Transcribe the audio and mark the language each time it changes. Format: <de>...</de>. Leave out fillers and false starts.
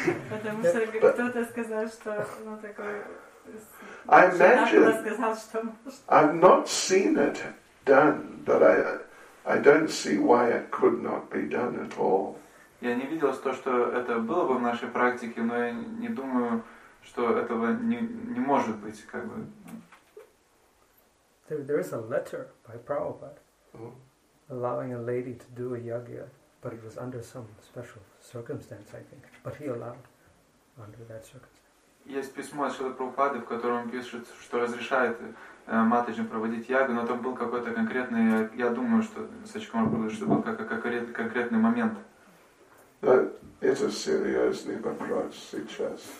<ru>Потому что кто-то сказал, что ну такой.</ru> <en>I imagine. I've not seen it done, but I don't see why it could not be done at all.</en> <ru>Я не видел то, что это было бы в нашей практике, но я не думаю, что этого не может быть, как бы.</ru> <en>There is a letter by Prabhupada allowing a lady to do a yagya, but it was under some special circumstance, I think. But he allowed under that circumstance.</en> <ru>Есть письмо от Шрилы Прабхупады, в котором пишет, что разрешает Матаджи проводить ягу, но там был какой-то конкретный, я думаю, что Сачкумар был, что был конкретный момент. Это серьезный вопрос сейчас.</ru>